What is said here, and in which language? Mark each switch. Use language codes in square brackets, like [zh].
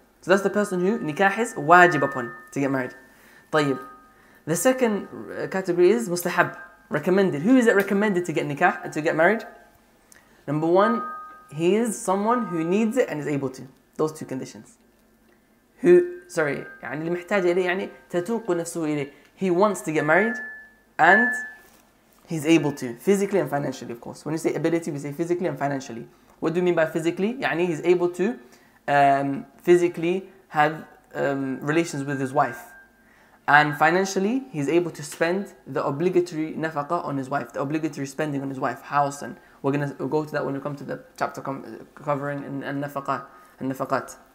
[en] So that's the person who nikah is wajib upon to get married. [ar] طيب. [en] The second category is mustahab, recommended. Who is it recommended to get nikah, to get married? Number one, he is someone who needs it and is able to. Those two conditions. who sorry [ar] يعني اللي محتاج إليه يعني تتوق نفسه إليه. [en] He wants to get married and he's able to physically and financially, of course. When you say ability, we say physically and financially. What do you mean by physically? [ar] يعني [en] he's able to physically have relations with his wife. And financially, he's able to spend the obligatory nafaqa on his wife, the obligatory spending on his wife, house, and we're going to go to that when we come to the chapter covering al-nafaqat.